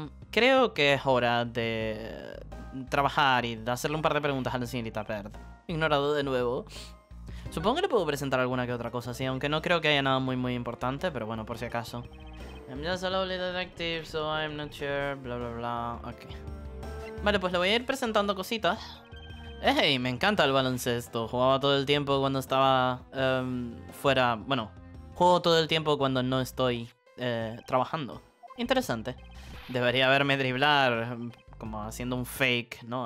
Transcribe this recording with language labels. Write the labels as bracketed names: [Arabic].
[Spanish] Creo que es hora de trabajar y de hacerle un par de preguntas a la señorita Bird. Ignorado de nuevo. Supongo que le puedo presentar alguna que otra cosa, sí, aunque no creo que haya nada muy importante, pero bueno, por si acaso. [English] I'm just a lowly detective, so I'm not sure, bla bla bla, ok. [Spanish] Vale, pues le voy a ir presentando cositas. ¡Hey! Me encanta el baloncesto. Jugaba todo el tiempo cuando estaba fuera... bueno, juego todo el tiempo cuando no estoy trabajando. Interesante. Debería verme driblar como haciendo un fake, ¿no?